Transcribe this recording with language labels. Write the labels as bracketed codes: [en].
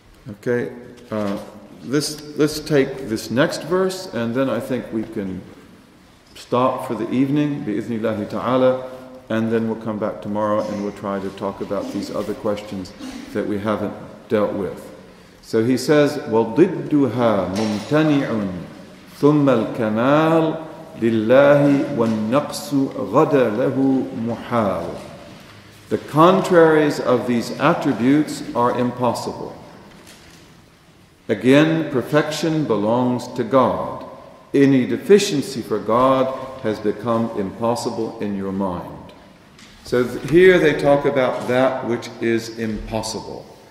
[en] Okay, let's take this next verse, and then I think we can stop for the evening, bi-ithnillahi ta'ala, and then we'll come back tomorrow and we'll try to talk about these other questions that we haven't dealt with. So he says, [ar] وَضِدُّهَا مُمْتَنِعٌ ثُمَّ الْكَمَالُ لِلَّهِ وَالنَّقْصُ غَدَ لَهُ مُحَالُ. [en] The contraries of these attributes are impossible. Again, perfection belongs to God. Any deficiency for God has become impossible in your mind. So here they talk about that which is impossible.